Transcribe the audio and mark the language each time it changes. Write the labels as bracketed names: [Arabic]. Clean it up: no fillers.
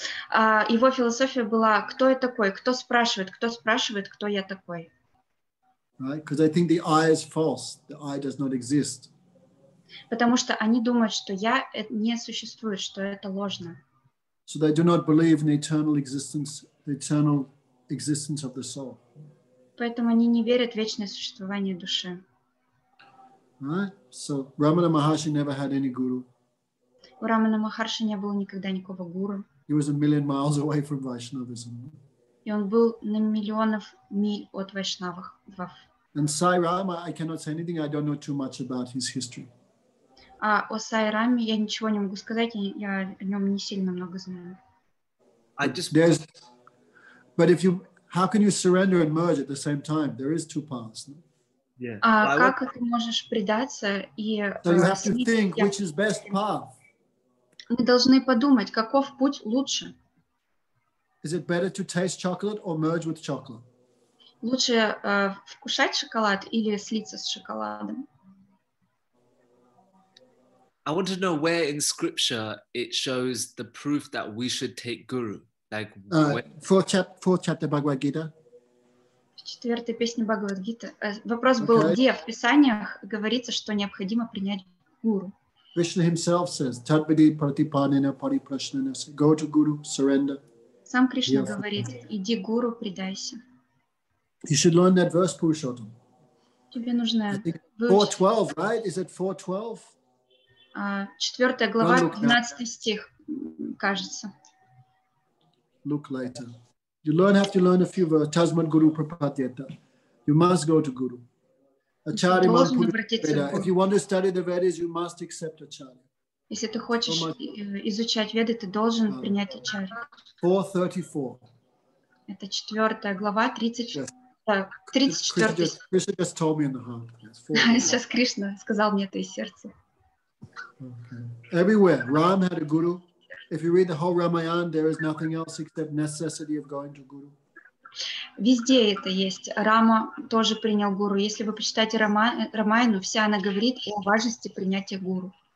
[Russian] Его философия была, кто я такой? Кто спрашивает? Кто спрашивает, кто я такой? [English] Right? Because I think the I is false. The I does not exist. [Russian] Потому что они думают, что я не существует, что это ложно. [English] So they do not believe in the eternal existence of the soul. [Russian] Поэтому они не верят в вечное существование души. [English] Right? So Ramana Maharshi never had any guru. [Russian] У Рамана Махарши не было никогда никакого гуру. [English] He was a million miles away from Vaishnavism. [Russian] И он был на миллионов миль от вайшнавов. [English] And Sai Rama, I cannot say anything. I don't know too much about his history. [Russian] А о Сай Раме я ничего не могу сказать. Я о нем не сильно много знаю. [English] But if you, how can you surrender and merge at the same time? There is two paths. No? Yeah. [Russian] Как ты можешь предаться и? [English] So you have to think which is best path. [Russian] Мы должны подумать, каков путь лучше. [English] Is it better to taste chocolate or merge with chocolate? [Russian] Лучше вкушать шоколад или слиться с шоколадом? [English] I want to know where in scripture it shows the proof that we should take guru. Like fourth chapter Bhagavad Gita. [Russian] Четвертая песня Бхагавад Гита. Вопрос был, где в писаниях говорится, что необходимо принять гуру? [English] Krishna himself says, [Sanskrit] "Tadvidi pratipanena pariprashnana." [English] Go to guru, surrender. [Russian] Сам Кришна говорит, иди гуру, предайся. [English] You should learn that verse, Purushottam. [Russian] Тебе нужно. [English] 4:12, right? Is it 4:12? [Russian] Четвертая глава, 12 стих, кажется. [English] Look later. You learn, have to learn a few verses. [Sanskrit] Tasman guru prapadyata. [English] You must go to guru. [Sanskrit] Acharya man puripeda. [English] If you want to study the Vedas, you must accept acharya. [Russian] Если ты хочешь изучать Веды, ты должен принять acharya. [English] 4:34. [Russian] Это четвертая глава, 34. [English] Krishna just told me in the heart. [Russian] Сейчас Кришна сказал мне это из сердца. [English] Okay. Everywhere, Ram had a guru. If you read the whole Ramayana, there is nothing else except necessity of going to guru. [Russian] Везде это есть. Рама тоже принял гуру. Если вы почитаете Рамаяну, вся она говорит о важности принятия гуру.